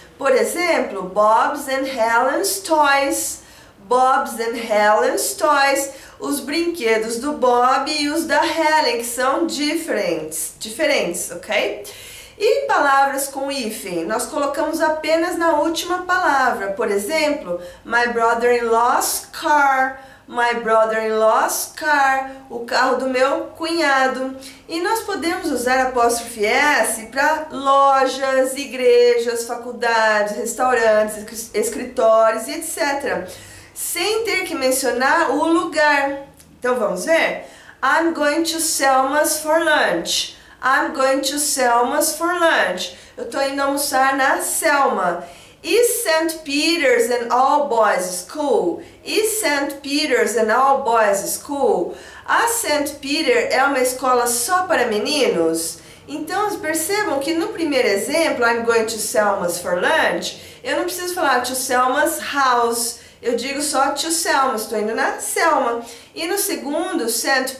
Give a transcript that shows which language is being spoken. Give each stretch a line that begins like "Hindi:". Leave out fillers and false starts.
Portuguese: Por exemplo,
English: Bob's and Helen's toys. Bob's and Helen's toys.
Portuguese: Os brinquedos do Bob e os da Helen, que são diferentes. Diferentes, ok? E palavras com hífen? Nós colocamos apenas na última palavra. Por exemplo,
English: my brother-in-law's car. My brother-in-law's car,
Portuguese: o carro do meu cunhado. E nós podemos usar apóstrofe S para lojas, igrejas, faculdades, restaurantes, escritórios, etc. Sem ter que mencionar o lugar. Então vamos ver?
English: I'm going to Selma's for lunch. I'm going to Selma's for lunch.
Portuguese: Eu estou indo almoçar na Selma.
English: Is St. Peter's an all boys school? Is St. Peter's an all boys school?
Portuguese: A St. Peter é uma escola só para meninos? Então, percebam que no primeiro exemplo,
English: I'm going to Selma's for lunch,
Portuguese: eu não preciso falar
English: to Selma's house.
Portuguese: Eu digo só
English: to Selma,
Portuguese: estou indo na Selma. E no segundo, St.